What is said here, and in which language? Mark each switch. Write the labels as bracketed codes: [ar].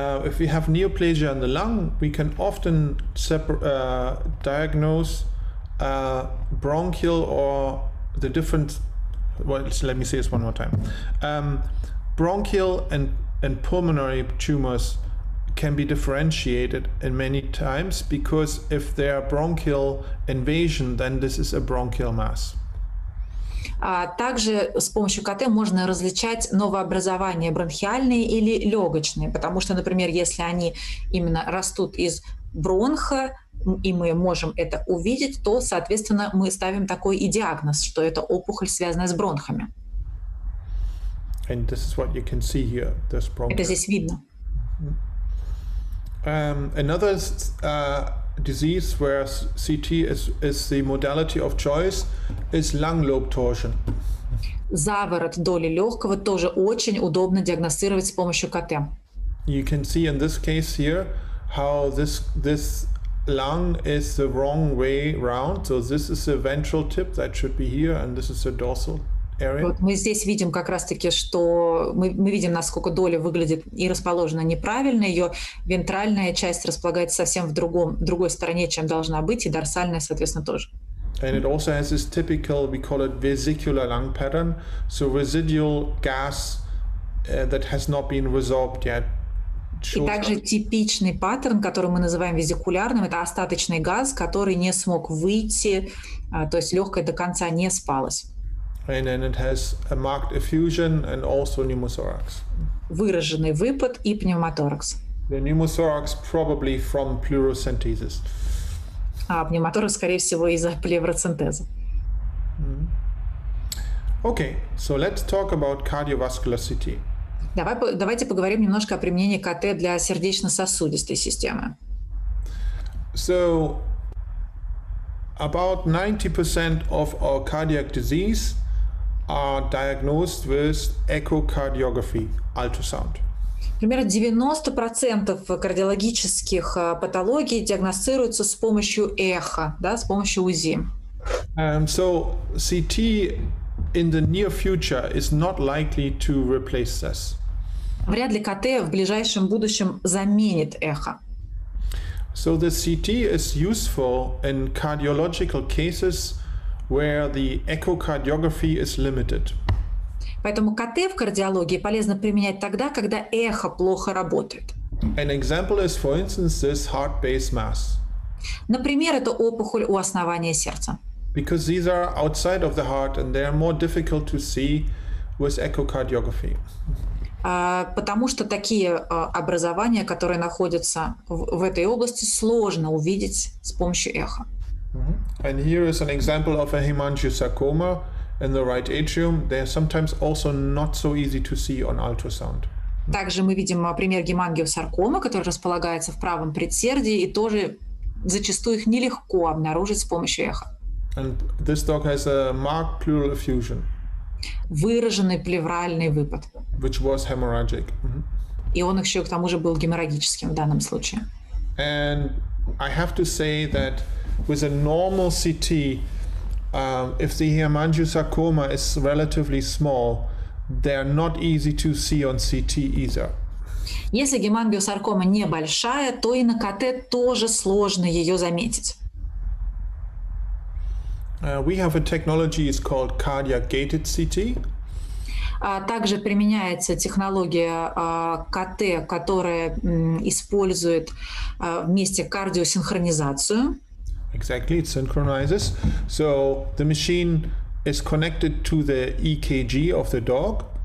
[en] If we have neoplasia in the lung, we can often diagnose bronchial or the different. Well, let me say this one more time. Bronchial and pulmonary tumors can be differentiated in many times because if there are bronchial invasion, then this is a bronchial mass. [ru] Также с помощью КТ можно различать новообразования бронхиальные или легочные, потому что, например, если они именно растут из бронха, и мы можем это увидеть, то, соответственно, мы ставим такой и диагноз, что это опухоль, связанная с бронхами. [en] And this is what you can see here, this bronchus. [ru] Это здесь видно. [en] Another disease where CT is the modality of choice is lung lobe torsion. [ru] Заворот доли легкого тоже очень удобно диагностировать с помощью КТ. [en] You can see in this case here how this lung is the wrong way round. So this is the ventral tip that should be here, and this is the dorsal. [ru] Вот мы здесь видим как раз-таки, что мы видим, насколько доля выглядит и расположена неправильно, ее вентральная часть располагается совсем в другой стороне, чем должна быть, и дорсальная, соответственно, тоже. [en] And it also has this typical, we call it vesicular lung pattern, so residual gas that has not been resolved yet. [ru] И также типичный паттерн, который мы называем везикулярным, это остаточный газ, который не смог выйти, то есть легкое до конца не спалось. [en] And then it has a marked effusion and also pneumothorax. [ru] Выраженный выпад и pneumothorax. [en] The pneumothorax probably from pleurocentesis. [ru] А pneumothorax, скорее всего, из-за плевроцентеза. [en] Okay, so let's talk about cardiovascular CT. [ru] Давайте поговорим немножко о применении КТ для сердечно-сосудистой системы. [en] So about 90% of our cardiac disease are diagnosed with echocardiography, ultrasound. [ru] Примерно 90% кардиологических патологий диагностируются с помощью эхо, да, с помощью УЗИ. [en] So CT in the near future is not likely to replace this. [ru] Вряд ли КТ в ближайшем будущем заменит эхо. [en] So the CT is useful in cardiological cases where the echocardiography is limited. [ru] Поэтому КТ в кардиологии полезно применять тогда, когда эхо плохо работает. [en] An example is, for instance, this heart-based mass. [ru] Например, это опухоль у основания сердца. [en] Because these are outside of the heart and they are more difficult to see with echocardiography? [ru] Потому что такие образования, которые находятся в этой области, сложно увидеть с помощью эхо. [en] Mm-hmm. And here is an example of a hemangiosarcoma in the right atrium. They are sometimes also not so easy to see on ultrasound. [ru] Также мы видим пример гемангиосаркомы, который располагается в правом предсердии, и тоже зачастую их нелегко обнаружить с помощью эхо. [en] And this dog has a marked pleural effusion. [ru] Выраженный плевральный выпад. [en] Which was hemorrhagic. Mm-hmm. [ru] И он еще к тому же был геморрагическим в данном случае. [en] And I have to say that with a normal CT, if the hemangiosarcoma is relatively small, they are not easy to see on CT either. [ru] Если гемангиосаркома небольшая, то и на КТ тоже сложно ее заметить. [en] We have a technology, it's called cardiac-gated CT. [ru] Также применяется технология КТ, которая использует вместе кардиосинхронизацию. [en] Exactly, it synchronizes. So the machine is connected to the EKG of the dog.